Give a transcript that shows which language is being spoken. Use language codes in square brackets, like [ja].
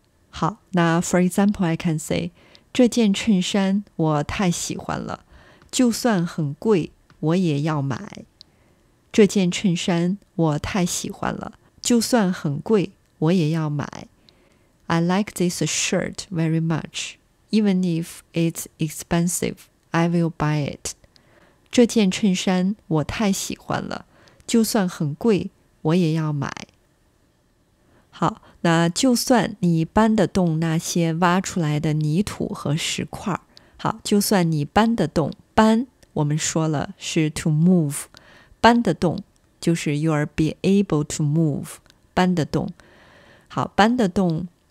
[zh] 好，那 [en] for example I can say， [zh] 这件衬衫我太喜欢了，就算很贵我也要买。这件衬衫我太喜欢了，就算很贵我也要买。 [en] I like this shirt very much. Even if it's expensive, I will buy it. [zh] 这件衬衫我太喜欢了，就算很贵我也要买。好，那就算你搬得动那些挖出来的泥土和石块。好，就算你搬得动，搬我们说了是 [en] to move， [zh] 搬得动就是 [en] you are be able to move， [zh] 搬得动。好，搬得动。